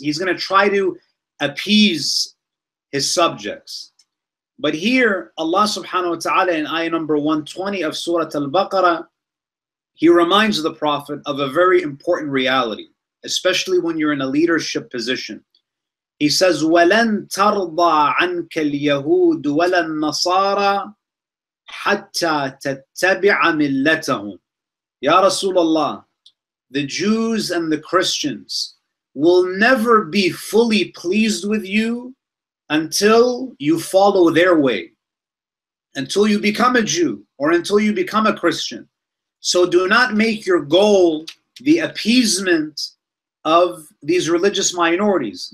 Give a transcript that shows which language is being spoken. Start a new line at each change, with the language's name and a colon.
English: He's going to try to appease his subjects. But here, Allah subhanahu wa ta'ala in ayah number 120 of Surah Al-Baqarah, he reminds the Prophet of a very important reality, especially when you're in a leadership position. He says,
Arabic: وَلَن تَرْضَى عَنْكَ الْيَهُودُ وَلَا النَّصَارَى حَتَّى تَتَّبِعَ مِلَّتَهُمْ.
English: Ya Rasulullah, the Jews and the Christians will never be fully pleased with you until you follow their way, until you become a Jew or until you become a Christian. So do not make your goal the appeasement of these religious minorities.